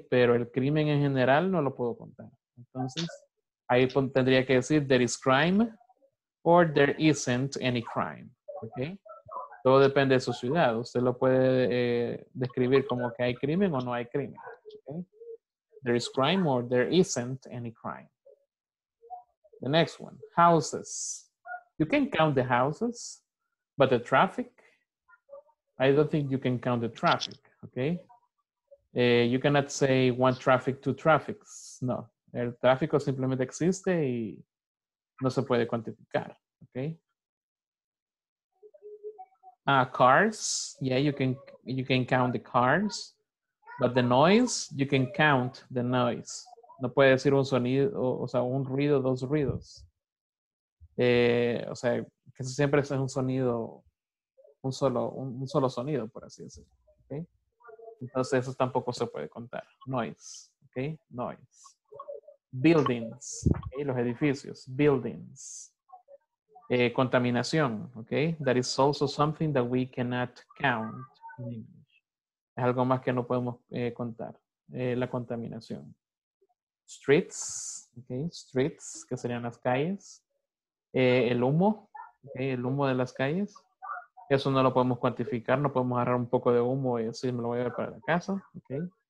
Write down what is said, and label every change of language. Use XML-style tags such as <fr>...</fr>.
<es>Pero el crimen en general no lo puedo contar. Entonces, ahí tendría que decir,</es> <en>there is crime, or there isn't any crime,</en> <es>okay? Todo depende de su ciudad. Usted lo puede describir como que hay crimen o no hay crimen.</es> <en>Okay? There is crime or there isn't any crime. The next one, houses. You can count the houses, but the traffic, I don't think you can count the traffic, okay? You cannot say one traffic, two traffics.</en> <es>No, el tráfico simplemente existe y no se puede cuantificar, okay?</es> <en>Cars, yeah, you can count the cars, but the noise, you can count the noise.</en> <es>No puede decir un sonido, o sea, un ruido, dos ruidos. O sea, que siempre es un sonido, un solo sonido, por así decirlo. Okay? Entonces, eso tampoco se puede contar. Noise, okay? Noise. Buildings, okay? Los edificios, buildings. Contaminación, okay?</es> <en>That is also something that we cannot count in English.</en> <es>Es algo más que no podemos contar, la contaminación. Streets, okay, streets, que serían las calles. El humo, okay, el humo de las calles. Eso no lo podemos cuantificar, no podemos agarrar un poco de humo y decir, me lo voy a ver para la casa, okay.</es>